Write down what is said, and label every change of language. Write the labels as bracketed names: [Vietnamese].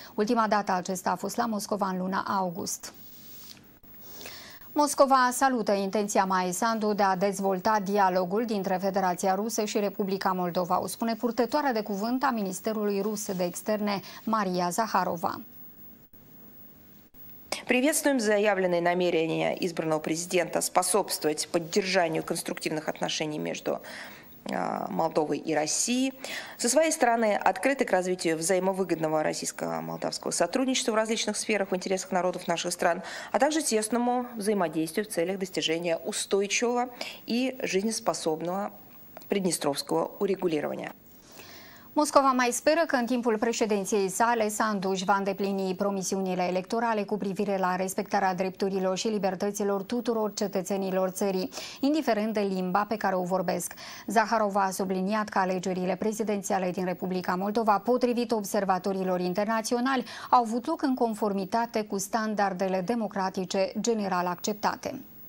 [Romanian] Ultima dată acesta a fost la Moscova în luna august. Moscova salută intenția Maiei Sandu de a dezvolta dialogul dintre Federația Rusă și Republica Moldova, o spune purtătoarea de cuvânt a Ministerului Rus de Externe, Maria Zaharova. [Russian] Приветствуем заявленные намерения избранного президента способствовать поддержанию конструктивных отношений между Молдовой и Россией. Со своей стороны, открыты к развитию взаимовыгодного российско-молдавского сотрудничества в различных сферах в интересах народов наших стран, а также тесному взаимодействию в целях достижения устойчивого и жизнеспособного приднестровского урегулирования. [Romanian] Moscova mai speră că în timpul președinției sale Sandu își va îndeplini promisiunile electorale cu privire la respectarea drepturilor și libertăților tuturor cetățenilor țării, indiferent de limba pe care o vorbesc. Zaharova a subliniat că alegerile prezidențiale din Republica Moldova, potrivit observatorilor internaționali, au avut loc în conformitate cu standardele democratice general acceptate.